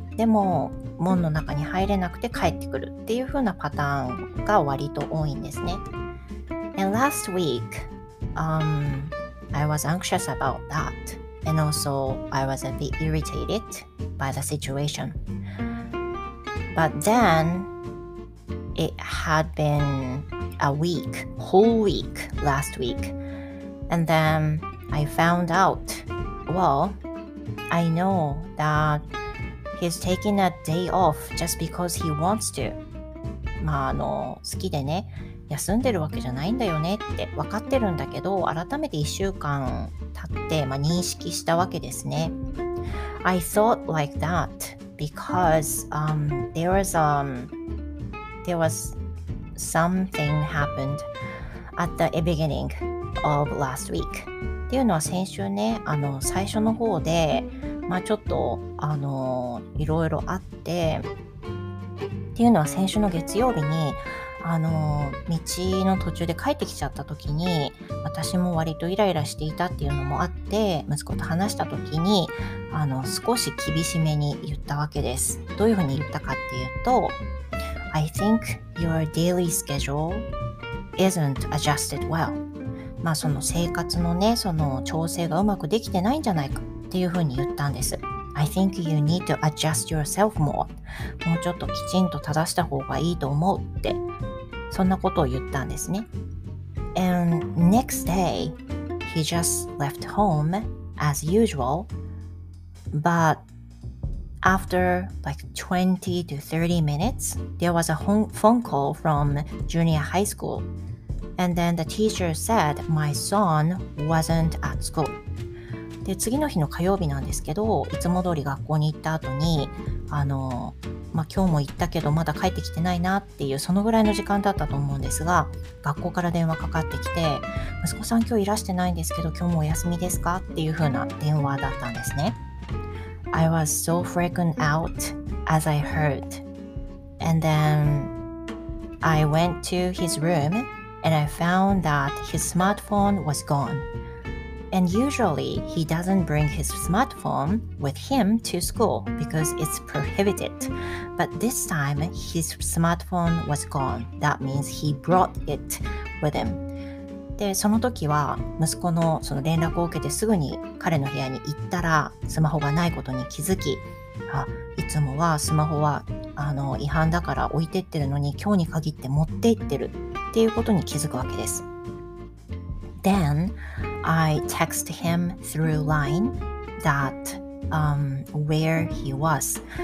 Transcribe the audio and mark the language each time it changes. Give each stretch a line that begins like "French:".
Japanese: でも門の中に入れなくて帰ってくるっていう風なパターンが割と多いんですね。
English: And last week I was anxious about that and also I was a bit irritated by the situation, but then it had been a week, whole week last week, and then I found out, wellI know that he's taking a day off just because he wants to.
Japanese: まあ好きでね、休んでるわけじゃないんだよねって分かってるんだけど、改めて1週間経って、まあ、認識したわけですね。
English: I thought like that because there was something happened at the beginning of last week.
Japanese: っていうのは先週ね、最初の方でまあ、ちょっと、いろいろあってっていうのは、先週の月曜日に道の途中で帰ってきちゃった時に、私も割とイライラしていたっていうのもあって、息子と話した時に少し厳しめに言ったわけです。どういうふうに言ったかっていうと、
English: I think your daily schedule isn't adjusted well。
Japanese: まあ、その生活のね、その調整がうまくできてないんじゃないかっていうふうに言ったんです。
English: I think you need to adjust yourself more.
Japanese: もうちょっときちんと正した方がいいと思うって、そんなことを言ったんですね。
English: And next day, he just left home as usual. But after like 20 to 30 minutes, there was a phone call from junior high school. And then the teacher said my son wasn't at school.
Japanese: で、次の日の火曜日なんですけど、いつも通り学校に行った後に、まあ、今日も行ったけどまだ帰ってきてないなっていう、そのぐらいの時間だったと思うんですが、学校から電話かかってきて、息子さん今日いらしてないんですけど、今日もお休みですかっていう風な電話だったんですね。
English: I was so freaking out as I heard. And then I went to his room and I found that his smartphone was gone. And usually, he doesn't bring his smartphone with him to school because it's prohibited. But this time, his smartphone was gone. That means he brought it with him.
Japanese: で、その時は息子のその連絡を受けてすぐに彼の部屋に行ったら、スマホがないことに気づき、あ、いつもはスマホは違反だから置いてってるのに、今日に限って持って行ってるっていうことに気づくわけです。
English: Then I texted him through LINE that where he was.